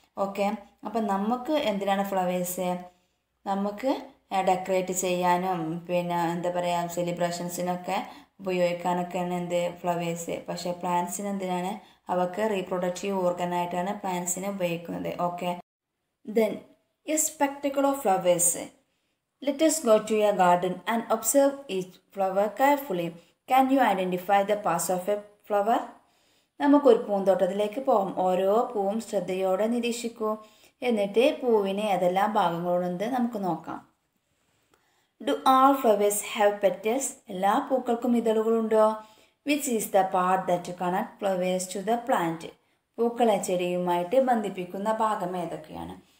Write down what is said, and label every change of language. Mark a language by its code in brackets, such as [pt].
[ml] Okay, അപ്പം നമുക്ക് എന്തിനാണ് ഫ്ലവേഴ്സ്? നമുക്ക് ഡെക്കറേറ്റ് ചെയ്യാനും പിന്നെ എന്താ പറയുക, സെലിബ്രേഷൻസിനൊക്കെ ഉപയോഗിക്കാനൊക്കെയാണ് എന്ത് ഫ്ലവേഴ്സ്. പക്ഷേ പ്ലാന്റ്സിന് എന്തിനാണ്, അവർക്ക് റീപ്രൊഡക്റ്റീവ് ഓർഗനായിട്ടാണ് പ്ലാന്റ്സിനെ ഉപയോഗിക്കുന്നത്. Okay, then [en] a spectacle of flowers. Let us go to your garden and observe each flower carefully. Can you identify the parts of a flower? [ml] നമുക്കൊരു പൂന്തോട്ടത്തിലേക്ക് പോകാം. ഓരോ പൂവും ശ്രദ്ധയോടെ നിരീക്ഷിക്കൂ. എന്നിട്ട് പൂവിനെ ഏതെല്ലാം ഭാഗങ്ങളുണ്ട് നമുക്ക് നോക്കാം. [en] Do all flowers have petals? [ml] എല്ലാ പൂക്കൾക്കും ഇതളുകളുണ്ടോ? [en] Which is the part that connect flowers to the plant? [ml] പൂക്കളെ ചെടിയുമായിട്ട് ബന്ധിപ്പിക്കുന്ന ഭാഗം ഏതൊക്കെയാണ്?